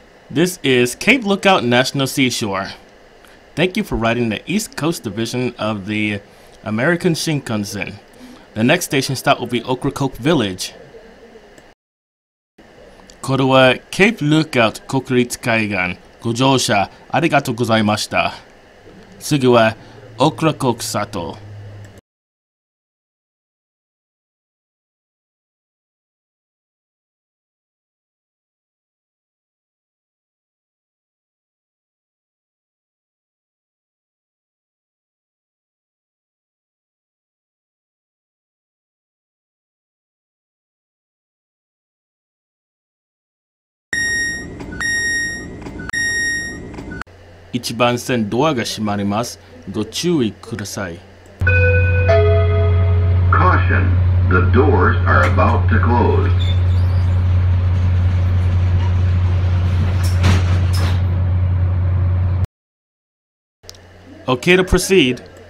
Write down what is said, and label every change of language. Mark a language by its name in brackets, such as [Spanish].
[English] This is Cape Lookout National Seashore. Thank you for riding the East Coast Division of the American Shinkansen. The next station stop will be Ocracoke Village. [Japanese] これはCape Lookout 国立海岸。ご乗車ありがとうございました。次はOcracoke Sato。一番線ドアが閉まります。ご注意ください。 [English] Caution! The doors are about to close. Okay to proceed.